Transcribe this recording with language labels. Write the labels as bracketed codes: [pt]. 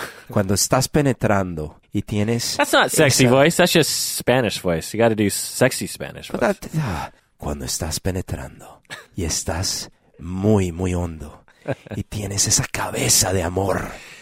[es] Cuando estás penetrando y tienes... [en] That's not sexy voice. That's just Spanish voice. You got to do sexy Spanish voice. But that, [es] cuando estás penetrando y estás muy, muy hondo y tienes esa cabeza de amor.